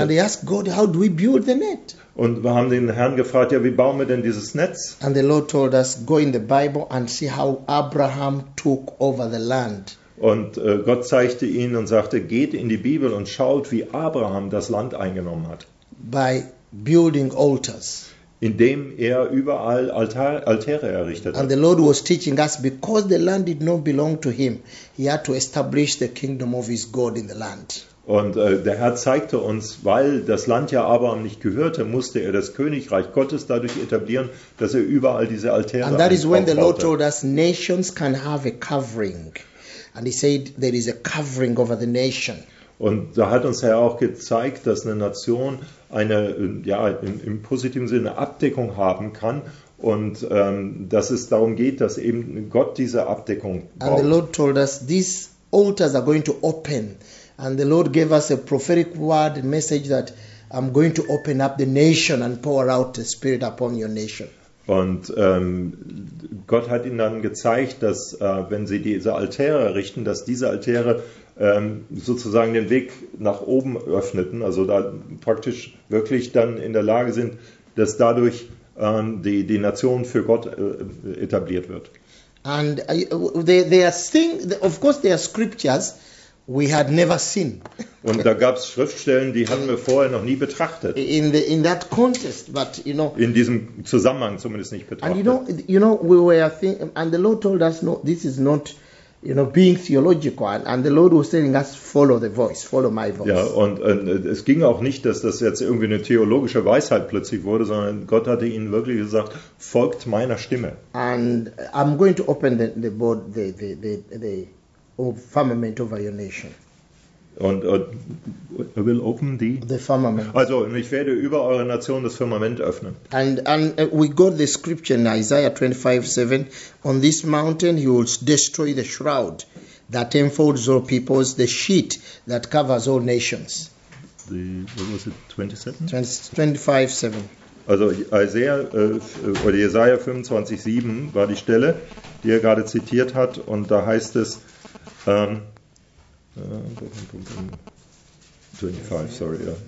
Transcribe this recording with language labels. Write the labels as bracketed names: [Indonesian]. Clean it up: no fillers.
[English] And they asked God, how do we build the net? [German] Und wir haben den Herrn gefragt, ja, wie bauen wir denn dieses Netz? [English] And the Lord told us, go in the Bible and see how Abraham took over the land. [German] Und Gott zeigte ihnen und sagte, geht in die Bibel und schaut, wie Abraham das Land eingenommen hat. [English] By building altars. [German] Indem er überall Altäre errichtet hat. [English] And the Lord was teaching us, because the land did not belong to him, he had to establish the kingdom of his God in the land. [German] Und der Herr zeigte uns, weil das Land ja Abraham nicht gehörte, musste er das Königreich Gottes dadurch etablieren, dass er überall diese Altäre [English] And that is when the Lord told us nations can have a covering. And he said there is a covering over the nation. [German] Und da hat uns Herr auch gezeigt, dass eine Nation eine, ja, im positiven Sinne Abdeckung haben kann. Und dass es darum geht, dass eben Gott diese Abdeckung baut. [English] And the Lord told us these altars are going to open. And the Lord gave us a prophetic word, a message that I'm going to open up the nation and pour out the Spirit upon your nation. [German] Und Gott hat ihnen dann gezeigt, dass wenn sie diese Altäre errichten, dass diese Altäre sozusagen den Weg nach oben öffneten, also da praktisch wirklich dann in der Lage sind, dass dadurch die Nation für Gott etabliert wird. [English] And they are saying, of course there are scriptures, we had never seen. [German] Und da gab's Schriftstellen, die hatten wir vorher noch nie betrachtet. [English] In that context, but you know. [German] In diesem Zusammenhang zumindest nicht betrachtet. [English] And you know, we were thinking, and the Lord told us, no, this is not, you know, being theological. And the Lord was telling us, follow the voice, follow my voice. [German] Ja, und es ging auch nicht, dass das jetzt irgendwie eine theologische Weisheit plötzlich wurde, sondern Gott hatte ihnen wirklich gesagt, folgt meiner Stimme. [English] And I'm going to open the board, the firmament over your nation. Und I will open the firmament. [German] Also, ich werde über eure Nation das Firmament öffnen. [English] And we got the scripture in Isaiah 25:7. On this mountain he will destroy the shroud that enfolds all peoples, the sheet that covers all nations. What was it? 25:7. [German] Also Jesaja 25:7 war die Stelle, die er gerade zitiert hat, und da heißt es 25, sorry.